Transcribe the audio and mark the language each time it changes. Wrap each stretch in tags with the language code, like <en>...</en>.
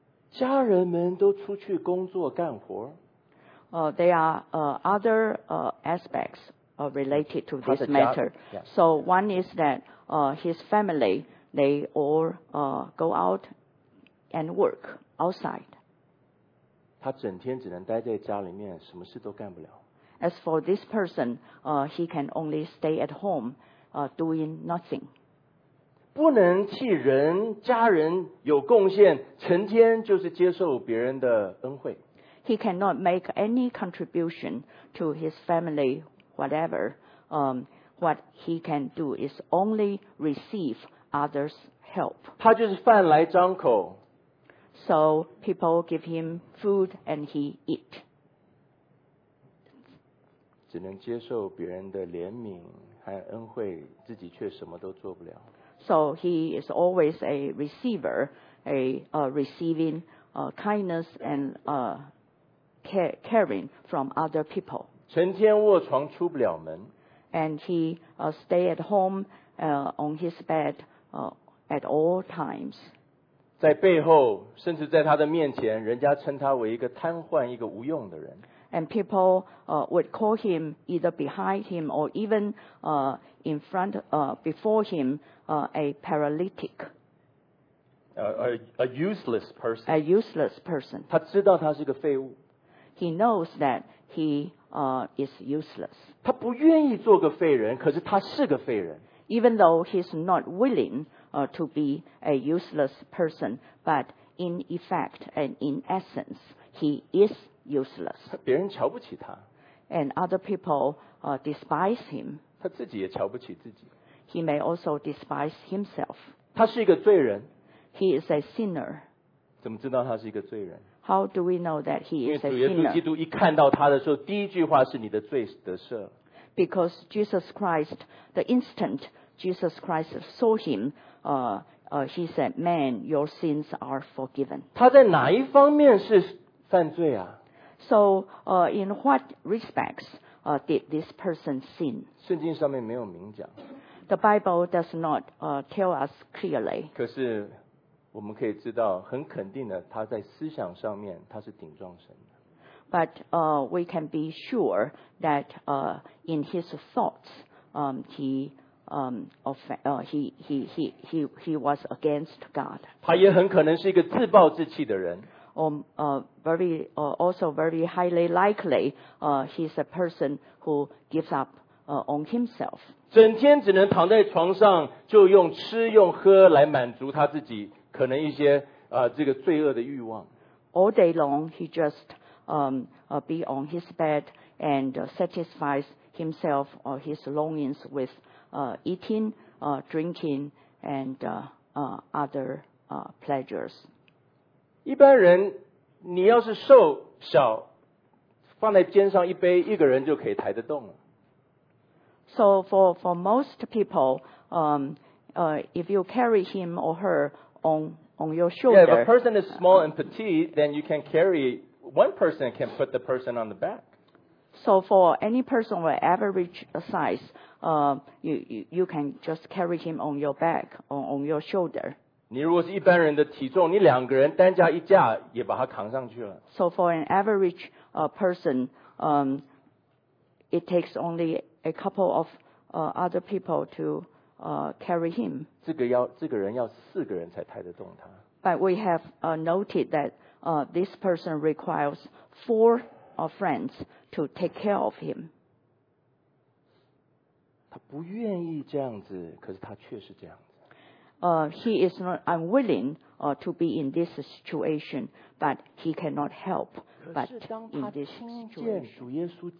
<zh>家人们都出去工作干活。</zh> <en>There are other aspects related to this matter. So one is that his family, they all go out and work outside.</en> <zh>他整天只能待在家里面，什么事都干不了。</zh> <en>As for this person, he can only stay at home doing nothing.</en> <zh>不能替人家人有贡献，成天就是接受别人的恩惠。</zh> <en>He cannot make any contribution to his family, whatever. What he can do is only receive others' help.</en> <zh>他就是饭来张口。</zh> <en>So people give him food and he eat.</en> <zh>只能接受别人的怜悯和恩惠，自己却什么都做不了。</zh> <en>So he is always a receiver, a receiving kindness and caring from other people.</en> <zh>成天卧床出不了门。</zh> <en>And he stay at home on his bed at all times.</en> <zh>在背后，甚至在他的面前，人家称他为一个瘫痪，一个无用的人。</zh> <en>And people would call him either behind him or even in front before him a paralytic. A useless person. A useless person.</en> <zh>他知道他是个废物。</zh> <en>He knows that he is useless.</en> <zh>他不愿意做个废人，可是他是个废人。</zh> <en>Even though he's not willing to be a useless person, but in effect and in essence, he is useless.</en> <zh>别人瞧不起他。</zh> <en>And other people despise him.</en> <zh>他自己也瞧不起自己。</zh> <en>He may also despise himself.</en> <zh>他是一个罪人。</zh> <en>He is a sinner.</en> <zh>怎么知道他是一个罪人？</zh> <en>How do we know that he is a sinner?</en> <zh>因为主耶稣基督一看到他的时候，第一句话是你的罪得赦。</zh> <en>Because Jesus Christ, the instant Jesus Christ saw him, he said, "Man, your sins are forgiven."</en> <zh>他在哪一方面是犯罪啊？</zh> <en>So, in what respects, did this person sin?</en> <zh>圣经上面没有明讲。</zh> <en>The Bible does not tell us clearly.</en> <zh>可是。我们可以知道很肯定的他在思想上面他是顶撞神的。</zh> <en>But we can be sure that in his thoughts he was against God.</en> <zh>他也很可能是一个自暴自弃的人。</zh> <en>Also very highly likely he's a person who gives up on himself.</en> <zh>整天只能躺在床上就用吃用喝来满足他自己。可能一些这个罪恶的欲望。</zh> <en>All day long, he just be on his bed and satisfies himself or his longings with eating, drinking, and other pleasures.</en> <zh>一般人，你要是瘦小，放在肩上一背，一个人就可以抬得动了。</zh> <en>So for most people, if you carry him or her on your shoulder, yeah, if a person is small and petite, then you can carry one person can put the person on the back. So for any person of average size, you can just carry him on your back on your shoulder.</en> <zh>你如果是一般人的体重，你两个人单架一架也把他扛上去了。</zh> <en>So for an average person, it takes only a couple of other people to carry him.</en> <zh>这个人要四个人才抬得动他。</zh> <en>But we have noted that this person requires four friends to take care of him.</en> <zh>他不愿意这样子，可是他却是这样子。</zh> <en>He is not unwilling to be in this situation, but he cannot help but in this situation.</en>